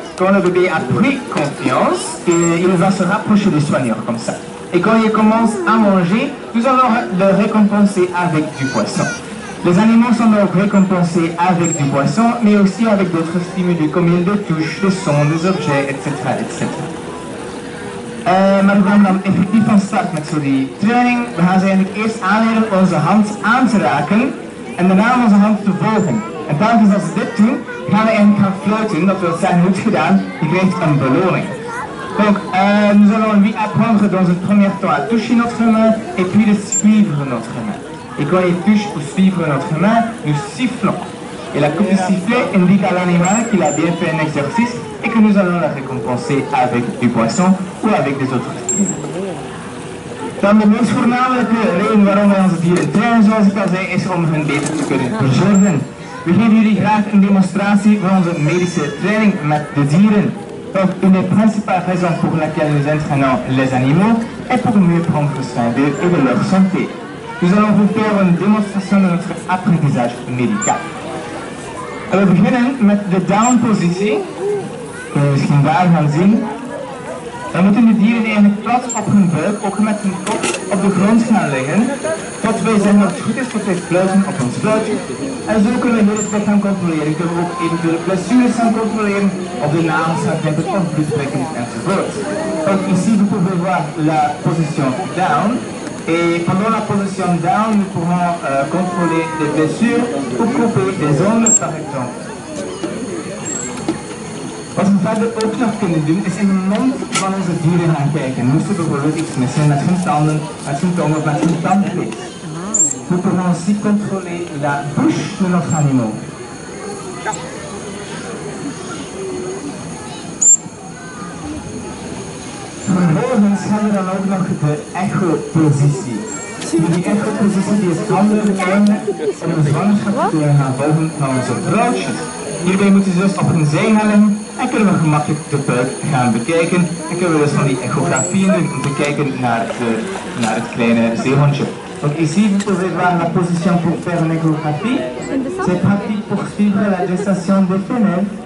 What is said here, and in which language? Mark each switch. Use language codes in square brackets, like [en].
[fr] Quand le bébé a pris confiance, et il va se rapprocher du soigneur comme ça. Et quand il commence à manger, nous allons le récompenser avec du poisson. Les animaux sont donc récompensés avec du poisson, mais aussi avec d'autres stimuli comme il le touche, le son, des objets, etc., etc. [nl] Maar we gaan dan effectief van start met zo die training. We gaan ze eigenlijk eerst aanleren onze hand aan te raken en daarna onze hand te volgen. En telkens als ze dit doen, gaan we eigenlijk gaan fluiten. Dat wil zeggen, goed gedaan, je krijgt een beloning. [fr] Donc, nous allons lui apprendre dans un premier temps à toucher notre main et puis de suivre notre main. Et quand il touche ou suivre notre main, nous sifflons. Et la coupe de sifflet indique à l'animal qu'il a bien fait un exercice et que nous allons la récompenser avec du poisson ou avec des autres stimuli. [nl] Dan de meest voornamelijke reden waarom wij onze dieren trainen, zoals ik al zei, is om hun beter te kunnen verzorgen. We geven jullie graag een demonstratie van onze medische training met de dieren. [fr] Donc, une des principales raisons pour laquelle nous entraînons les animaux est pour mieux prendre soin d'eux et de leur santé. Nous allons vous faire une démonstration de notre apprentissage médical. [nl] En we beginnen met de down positie. Kunnen we misschien daar gaan zien. Dan moeten de dieren eigenlijk plat op hun buik, ook met hun kop, op de grond gaan liggen. Tot wij zeggen dat het goed is dat wij fluiten op ons fluitje. En zo kunnen we heel het gaan controleren. Kunnen we ook eventuele blessures gaan controleren. Of de nagels gaan knippen of bloedtrekken enzovoort. [fr] Donc ici, vous pouvez voir la position down. Et pendant la position down, nous pourrons contrôler des blessures ou couper des ongles par exemple. [nl] Wat we verder ook nog kunnen doen, is in de mond van onze dieren gaan kijken. Moesten bijvoorbeeld iets missen met hun tanden, met hun tong of met hun tandvlees. We kunnen [fr] aussi [nl] controleren [fr] la bouche de notre animal. [nl] Vervolgens hebben we dan ook nog de echo-positie. Die echo-positie die is andere vormen om de zwangerschap te kunnen gaan volgen van onze vrouwtjes. Hierbij moeten ze dus op hun zij gaan liggen en kunnen we gemakkelijk de buik gaan bekijken. En kunnen we dus van die echografieën doen om te kijken naar het kleine zeehondje. [fr] Donc ici, vous pouvez voir la position pour faire une échographie. C'est pratique pour suivre la gestation des femelles.